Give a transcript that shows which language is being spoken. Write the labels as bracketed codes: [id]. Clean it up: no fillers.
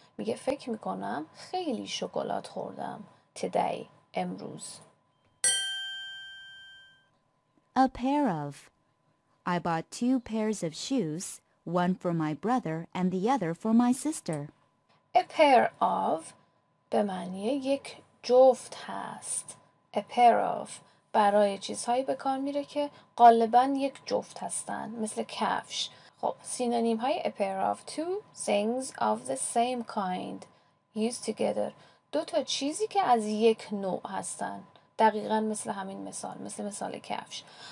[fa] میگه فکر میکنم خیلی شکلات خوردم today امروز. [en] A pair of. I bought two pairs of shoes, one for my brother and the other for my sister. A pair of [fa] به معنی یک جفت هست. [en] A pair of [fa] برای چیزهایی به کار میره که غالباً یک جفت هستن مثل کفش. خب سینونیم های [en] a pair of two things of the same kind used together [fa] دو تا چیزی که از یک نوع هستن دقیقاً مثل همین مثال مثل مثال کفش.